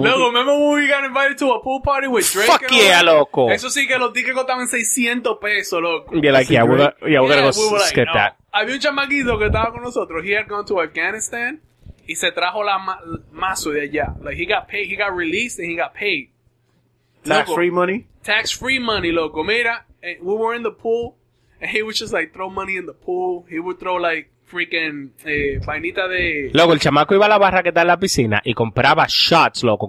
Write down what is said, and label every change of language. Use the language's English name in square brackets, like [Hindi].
[English] Loco, remember when we got invited to a pool party with Drake? Fuck yeah, all? Loco. [Spanish] Eso sí que los tickets costaban 600 pesos, loco. [English] Yeah, like, yeah, we're gonna skip that. [Spanish] Había un chamaquito que estaba con nosotros. [English] He had gone to Afghanistan. [Spanish] Y se trajo la mazo de allá. [English] Like, he got paid, he got released, and he got paid. Tax-free money? Tax-free money, loco. Mira, and we were in the pool, and he would just, like, throw money in the pool. He would throw, like, freaking [Spanish] vainita de... Loco, el chamaco iba a la barra que está en la piscina y compraba shots, loco.